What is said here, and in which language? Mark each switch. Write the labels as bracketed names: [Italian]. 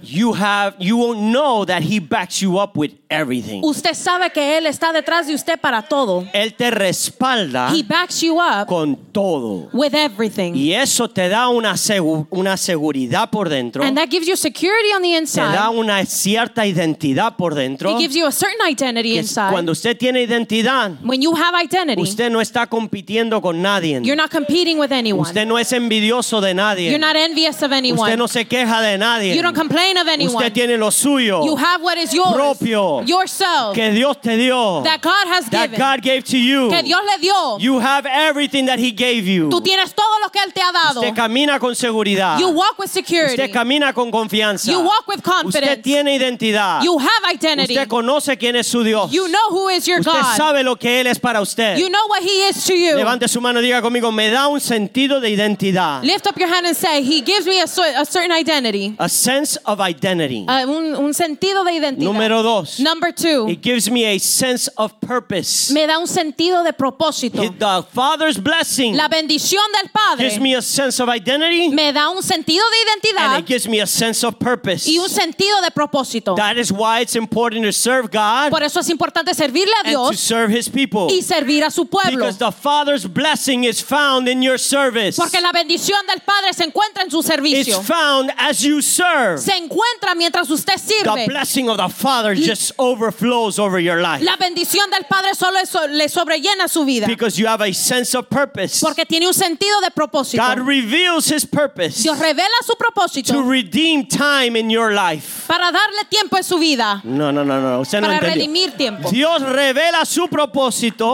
[English] you won't know that He backs you up with everything. [Spanish] Usted sabe que Él está detrás de usted para todo. Él te respalda. [English] He backs you up [Spanish] con todo. [English] With everything. [Spanish] Y eso te da una seguridad por dentro. [English] And that gives you security on the inside. [Spanish] Te da una cierta identidad por dentro. [English] It gives you a certain identity inside. [Spanish] Cuando usted tiene identidad, [English] when you have identity, [Spanish] usted no está compitiendo con nadie. [English] You're not competing with anyone. [Spanish] Usted no es envidioso. [English] You're not envious of anyone. [Spanish] Usted no se queja de nadie. [English] You don't complain of anyone. [Spanish] Usted tiene lo suyo. [English] You have what is yours. [Spanish] Propio. [English] Yourself. [Spanish] Que Dios te dio. [English] That God has that given. God gave to you. [Spanish] Que Dios le dio. [English] You have everything that He gave you. [Spanish] Tú tienes todo lo que Él te ha dado. Usted camina con seguridad. [English] You walk with security. [Spanish] Usted camina con confianza. [English] You walk with confidence. [Spanish] Usted tiene identidad. [English] You have identity. [Spanish] Usted conoce quién es su Dios. [English] You know who is your [Spanish] usted [English] God. [Spanish] Usted sabe lo que Él es para usted. [English] You know what He is to you. [Spanish] Levante su mano y diga conmigo, me da un sentido de identidad. [English] Lift up your hand and say, He gives me a certain identity. A sense of identity. [Spanish] Un sentido de identidad. Número dos. [English] Number two. He gives me a sense of purpose. [Spanish] Me da un sentido de propósito. [English] The Father's blessing. [Spanish] La bendición del Padre. [English] Gives me a sense of identity. [Spanish] Me da un sentido de identidad. [English] And it gives me a sense of purpose. [Spanish] Y un sentido de propósito. [English] That is why it's important to serve God. [Spanish] Por eso es importante servirle a Dios. [English] And to serve His people. [Spanish] Y servir a su pueblo. [English] Because the Father's blessing is found in your service. [Spanish] Porque la bendición del Padre se encuentra en su servicio. [English] It's found as you serve. [Spanish] Se encuentra mientras usted sirve. [English] The blessing of the Father just overflows over your life. [Spanish] La bendición del Padre solo le sobrellena su vida. [English] Because you have a sense of purpose. [Spanish] Porque tiene un sentido de propósito. [English] God reveals His purpose. [Spanish] Dios revela su propósito. [English] To redeem time in your life. [Spanish] Para darle tiempo en su vida. No. Usted no entendió. Para redimir tiempo. Dios revela su propósito.